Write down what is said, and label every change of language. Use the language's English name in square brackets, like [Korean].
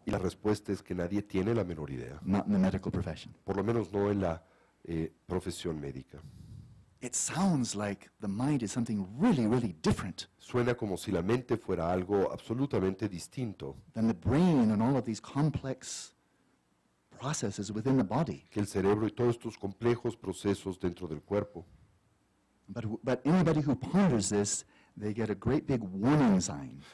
[Spanish] Y la respuesta es que nadie tiene la menor idea. [English] Not in the medical profession. [Spanish] Por lo menos no en la profesión médica. [English] It sounds like the mind is something really, really different. [Spanish] Suena como si la mente fuera algo absolutamente distinto. [English] Than the brain and all of these complex processes within the body. [Spanish] Que el cerebro y todos estos complejos procesos dentro del cuerpo. [English] But anybody who ponders this, they get a great big warning sign.